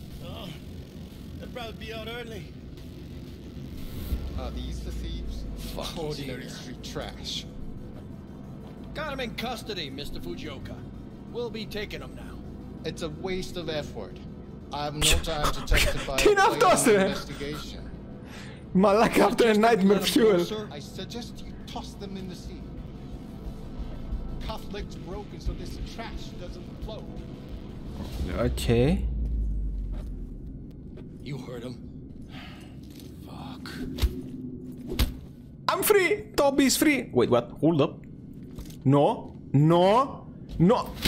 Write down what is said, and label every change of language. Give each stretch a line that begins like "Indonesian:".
English: Oh, I'd probably be out early. Are these the thieves? Fuck, ordinary street trash. Got him in custody, Mr. Fujioka. We'll be taking him now. It's a waste of effort. I have no time to testify.
Greek: Τι είναι αυτός, ρε! Μαλάκα, αυτό είναι
English: nightmare fuel. I suggest you toss them in the sea. Cuff legs broken so this trash doesn't float. Okay. You heard him. Fuck. I'm free! Toby is free! Wait, what? Hold up. No, no, no.